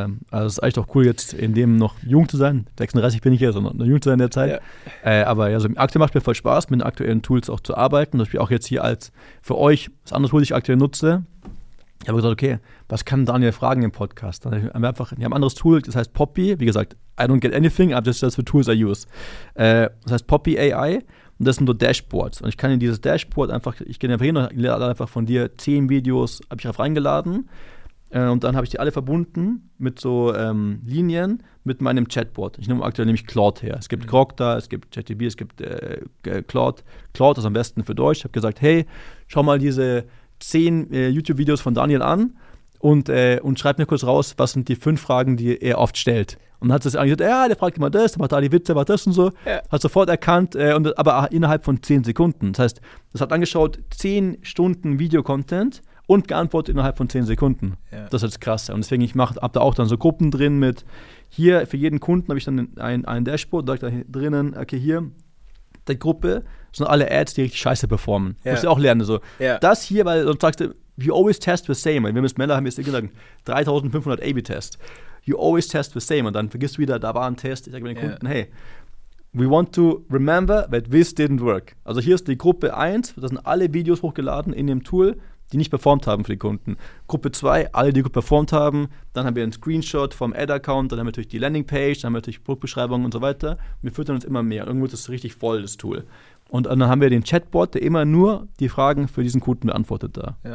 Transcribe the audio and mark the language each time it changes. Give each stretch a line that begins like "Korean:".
German: Also es ist echt auch cool, jetzt in dem noch jung zu sein. 36 bin ich ja, sondern noch jung zu sein in der Zeit. Ja. Aber ja, also aktuell macht mir voll Spaß, mit den aktuellen Tools auch zu arbeiten. Das spielt auch jetzt hier als für euch das andere Tool, das ich aktuell nutze. Ich habe gesagt, okay, was kann Daniel fragen im Podcast? Dann haben wir einfach, ein anderes Tool, das heißt Poppy. Wie gesagt,
English: I don't get anything, I just that's the tools I use.
German: Das heißt Poppy AI. Und das sind so Dashboards. Und ich kann in dieses Dashboard einfach, ich kann einfach hier noch einfach von dir 10 Videos, habe ich drauf reingeladen. Und dann habe ich die alle verbunden mit so Linien mit meinem Chatbot. Ich nehme aktuell nämlich Claude her. Es gibt Grok da, es gibt ChatGPT, es gibt Claude. Claude ist am besten für Deutsch. Ich habe gesagt, hey, schau mal diese 10 YouTube-Videos von Daniel an und schreib mir kurz raus, was sind die 5 Fragen, die er oft stellt. Und dann hat es eigentlich gesagt, ja, der fragt immer das, der macht da die Witze, macht das und so. Ja. Hat sofort erkannt, aber innerhalb von 10 Sekunden. Das heißt, das hat angeschaut, 10 Stunden Videocontent und geantwortet innerhalb von 10 Sekunden. Ja. Das ist jetzt krass. Und deswegen, hab da auch dann so Gruppen drin mit, hier für jeden Kunden habe ich dann ein Dashboard, da drinnen, okay, hier, der Gruppe sind alle Ads, die richtig scheiße performen. Yeah. Muss ich auch lernen. So. Yeah. Das hier, weil sonst sagst du,
English: you always test the same.
German: Wir müssen Männer haben jetzt gesagt, 3500 AB-Tests.
English: You always test the same.
German: Und dann vergisst du wieder, da war ein Test. Ich sage meinen Kunden,
English: hey, we want to remember that this didn't work.
German: Also hier ist die Gruppe 1, da sind alle Videos hochgeladen in dem Tool, die nicht performt haben für die Kunden. Gruppe 2, alle, die gut performt haben. Dann haben wir einen Screenshot vom Ad-Account, dann haben wir natürlich die Landingpage, dann haben wir natürlich Produktbeschreibungen und so weiter. Wir füttern uns immer mehr. Irgendwo ist das richtig voll, das Tool. Und dann haben wir den Chatbot, der immer nur die Fragen für diesen Kunden beantwortet da. Ja.